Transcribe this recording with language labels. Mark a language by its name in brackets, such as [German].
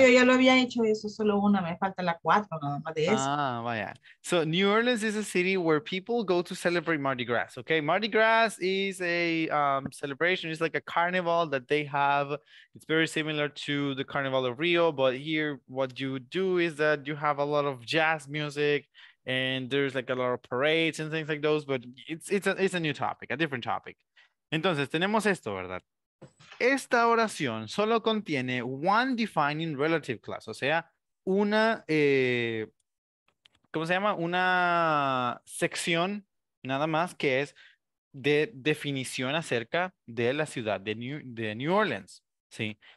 [Spanish] No, yo ya lo había hecho eso solo una. Me falta la cuatro, nada más de eso. Ah, vaya. [English] So New Orleans is a city where people go to celebrate Mardi Gras, okay? Mardi Gras is a celebration. It's like a carnival that they have. It's very similar to the Carnival of Rio, but here what you do is that you have a lot of jazz music, and there's like a lot of parades and things like those, but it's a new topic, a different topic. [Spanish] Entonces, tenemos esto, ¿verdad? Esta oración solo contiene [English] one defining relative clause, [Spanish] o sea, una, ¿cómo se llama? Una sección nada más que es de definición acerca de la ciudad de New Orleans, ¿sí?